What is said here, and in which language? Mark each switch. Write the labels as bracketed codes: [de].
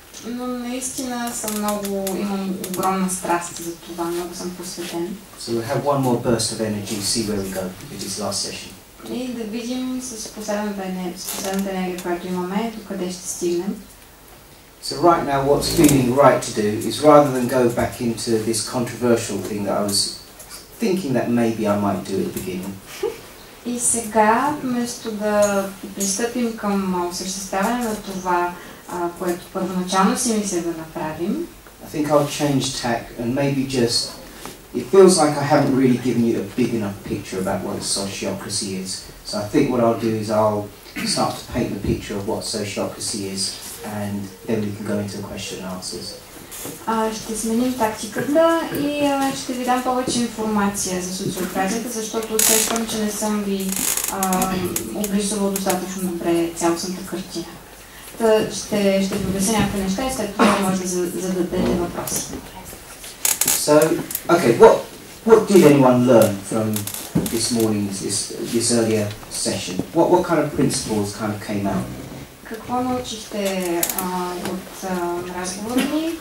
[bg] Но наистина съм много, имам огромна страст за това, много съм посветен. [en] So we'll have one more burst of energy, see where we go. It is last session. [bg] И да видим с последната енергия, която имаме, до къде ще стигнем. [en] So right now what's feeling right to do is rather than go back into this controversial thing that I was thinking that maybe I might do at the beginning. [bg] И сега, вместо да пристъпим към осъществяване на това, което първоначално си мисля да направим. [en] I think I'll change tack and maybe just it feels like I haven't really given you a big enough picture about what a sociocracy is. So I think what I'll do is I'll start to paint the picture of what sociocracy is. And then we can go into question and answers. [bg] Ще сменим тактиката и ще ви дам повече информация за социокрацията, защото усещам, че не съм ви обрисувал достатъчно добре цялостната картина. Та ще ви обясня някакви неща и след това може да зададете въпроси. [en] So, okay, what did anyone learn from this morning's this earlier session? What kind of principles kind of came out? [bg] Какво научихте от разговора ни?